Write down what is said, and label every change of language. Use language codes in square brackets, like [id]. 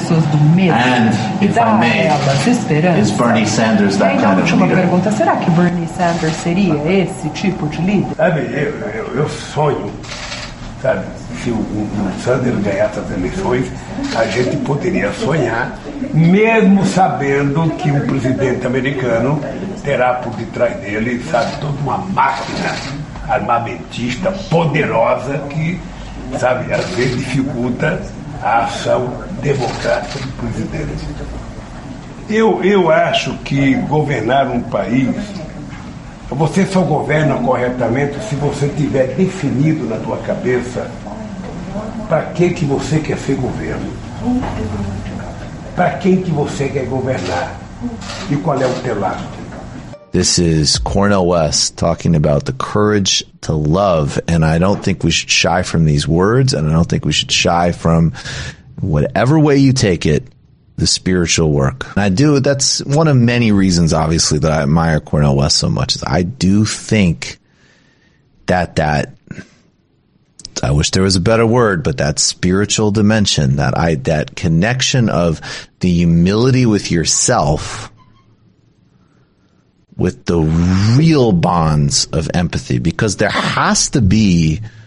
[en] And if I may, is Bernie Sanders that kind of leader? [pt] Será que Bernie Sanders seria esse tipo de líder? Sabe, eu sonho, sabe, se o Sanders ganhasse as eleições, a gente poderia sonhar, mesmo sabendo que um presidente americano terá por detrás dele, sabe, toda uma máquina armamentista poderosa que, sabe, às vezes dificulta a ação democrática do presidente. Eu acho que governar um país, você só governa corretamente se você tiver definido na tua cabeça para que você quer ser governo, para quem que você quer governar e qual é o teu lado. [en] This is Cornel West talking about the courage to love. And I don't think we should shy from these words. And I don't think we should shy from, whatever way you take it, the spiritual work. And I do. That's one of many reasons, obviously, that I admire Cornel West so much. Is I do think that I wish there was a better word, but that spiritual dimension, that connection of the humility with yourself, with the real bonds of empathy, because there has to be